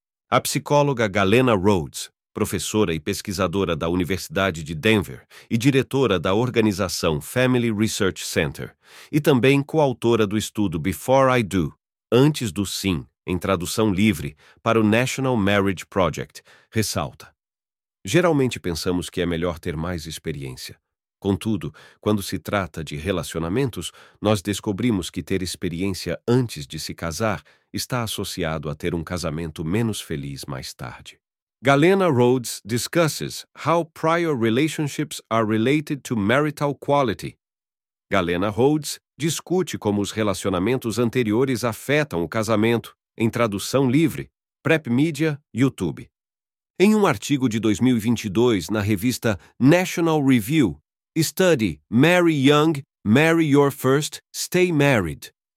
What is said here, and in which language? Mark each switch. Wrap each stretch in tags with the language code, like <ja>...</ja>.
<pt>A psicóloga Galena Rhodes, professora e pesquisadora da Universidade de Denver e diretora da organização Family Research Center, e também coautora do estudo Before I Do, Antes do Sim, em tradução livre, para o National Marriage Project, ressalta: Geralmente pensamos que é melhor ter mais experiência. Contudo, quando se trata de relacionamentos, nós descobrimos que ter experiência antes de se casar está associado a ter um casamento menos feliz mais tarde.</pt> <en>Galena Rhodes discusses how prior relationships are related to marital quality.</en> <pt>Galena Rhodes discute como os relacionamentos anteriores afetam o casamento, em tradução livre, Prep Media, YouTube. Em um artigo de 2022 na revista National Review, Study, Marry Young, Marry Your First, Stay Married.</pt>